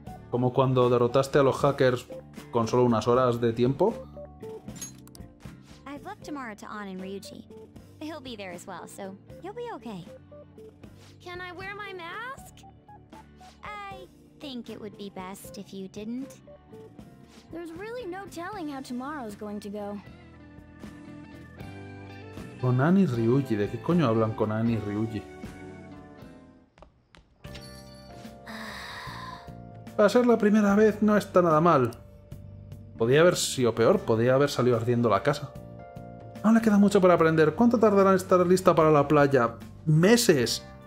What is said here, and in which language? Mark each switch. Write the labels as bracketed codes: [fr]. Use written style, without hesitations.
[es] Como cuando derrotaste a los hackers con solo unas horas de tiempo. [en] I've left tomorrow to An and Ryuji. He'll be there as well, so you'll be okay. Can I wear my mask? I think it would be best if you didn't. There's really no telling how tomorrow's going to go. [es] Con An y Ryuji, ¿de qué coño hablan con An y Ryuji? Para ser la primera vez no está nada mal. Podría haber sido peor, podría haber salido ardiendo la casa. No le queda mucho para aprender. ¿Cuánto tardará en estar lista para la playa? ¡Meses!